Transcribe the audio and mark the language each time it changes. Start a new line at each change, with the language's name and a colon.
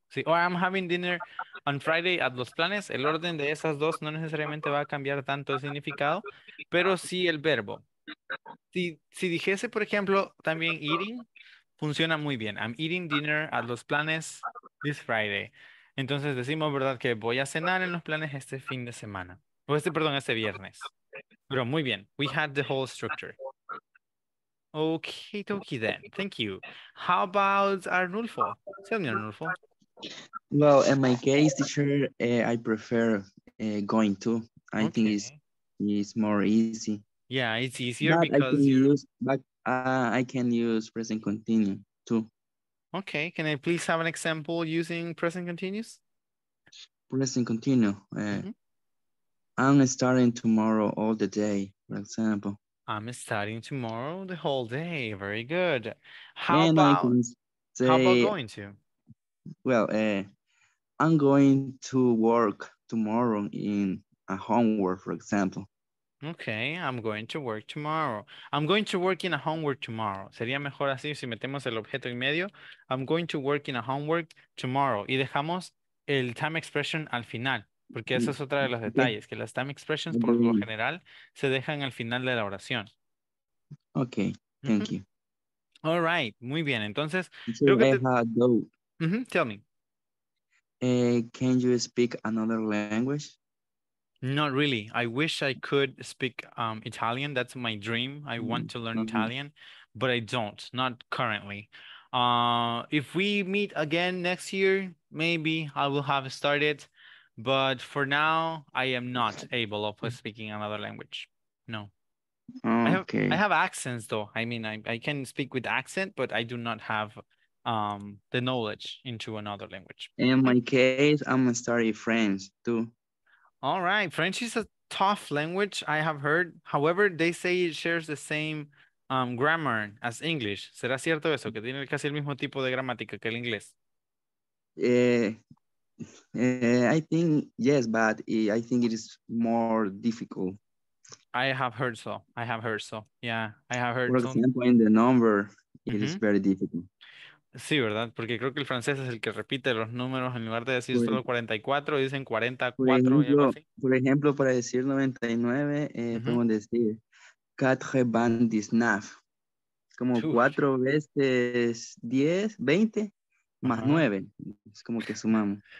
English: Sí, or I'm having dinner on Friday at Los Planes.
Spanish: El orden de esas dos no necesariamente va a cambiar tanto el significado, pero sí el verbo. Si dijese, por ejemplo, también eating, funciona muy bien.
English: I'm eating dinner at Los Planes this Friday.
Spanish: Entonces decimos, ¿verdad?, que voy a cenar en Los Planes este fin de semana. O este viernes. Pero muy bien.
English: We had the whole structure. Okay, okay then. Thank you. How about Arnulfo? Tell me, Arnulfo. Well, in my case, teacher, I prefer going to. I think it's more easy. Yeah, it's easier but I can use present continuous too. Okay, can I please have an example using present continuous? Present continuous. I'm starting tomorrow all the day, for example. I'm starting tomorrow the whole day. Very good. How about going to? Well, I'm going to work tomorrow in a homework, for example. Okay, I'm going to work tomorrow. I'm going to work in a homework tomorrow.
Spanish: Sería mejor así si metemos el objeto en medio.
English: I'm going to work in a homework tomorrow.
Spanish: Y dejamos el time expression al final, porque eso es otro de los detalles, que las time expressions por lo general se dejan al final de la oración.
English: Okay, thank you. All right,
Spanish: muy bien. Entonces,
English: tell me. Can you speak another language? Not really. I wish I could speak Italian. That's my dream. I want to learn Italian, but I don't. Not currently. If we meet again next year, maybe I will have started. But for now, I am not able of speaking another language. No. Okay. I have accents, though. I mean, I can speak with accent, but I do not have the knowledge into another language. In my case, I'm studying French, too. All right. French is a tough language, I have heard. However, they say it shares the same grammar as English.
Spanish: ¿Será cierto eso? ¿Que tiene casi el mismo tipo de gramática que el inglés?
English: I think, yes, but I think it is more difficult. I have heard so. Yeah, I have heard. For example, in the number, it is very difficult.
Spanish: Sí, ¿verdad? Porque creo que el francés es el que repite los números en lugar de decir solo 44, dicen 44. Por ejemplo, para decir 99, podemos decir 99. Como 4 veces 10, 20, más 9. Es como que sumamos.